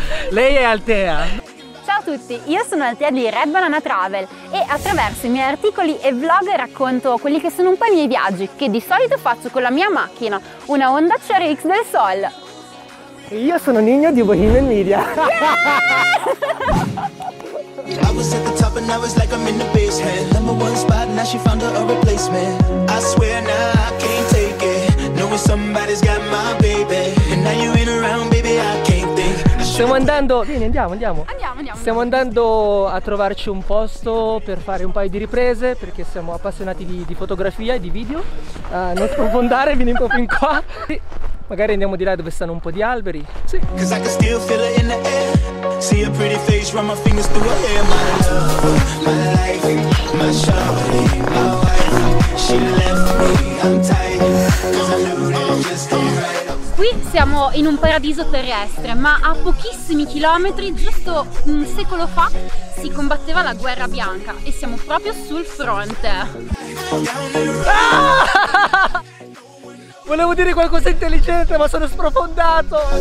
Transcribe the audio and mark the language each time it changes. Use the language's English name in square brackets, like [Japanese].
[Italian] Lei è Altea. Ciao a tutti, io sono Altea di Red Banana Travel e attraverso i miei articoli e vlog racconto quelli che sono un po' i miei viaggi che di solito faccio con la mia macchina, una Honda CRX del Sol. E io sono Nino di Bohemian Media. [English] I was at the top and I was like I'm in the basement. Number one spot, now she found her a replacement. I swear now I can't take it. Knowing somebody's got my baby. And now you ain't around, baby, I can't think. [Italian] Stiamo andando, vieni, andiamo. Andiamo. Stiamo andando a trovarci un posto per fare un paio di riprese, perché siamo appassionati di fotografia e di video. Non sprofondare, vieni un po' fin qua. Sì, magari andiamo di là dove stanno un po' di alberi. Sì. [English] Cause I can still feel it in the air. See a pretty face, run my fingers through her hair. My love, my life, my shawty, my wife. She left me, I'm tired. Cause I knew that I just don't write. [Italian] Qui siamo in un paradiso terrestre, ma a pochissimi chilometri, giusto un secolo fa, si combatteva la guerra bianca e siamo proprio sul fronte. Volevo dire qualcosa di intelligente, ma sono sprofondato.